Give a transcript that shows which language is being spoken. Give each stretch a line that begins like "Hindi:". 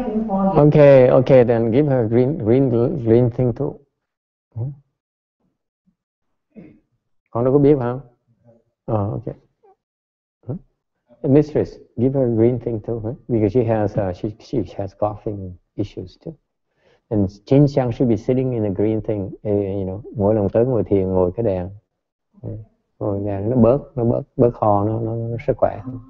English: Okay, then give her green thing too.
Vietnamese: Con đâu có biết phải không?
English: Okay. Mistress, give her a green thing too, right? Because she has she has coughing issues too. And Jin Xiang should be sitting in a green thing, you know,
Vietnamese: mỗi lần tới ngồi thiền ngồi cái đèn. Ngồi đèn nó bớt ho, nó sức khỏe.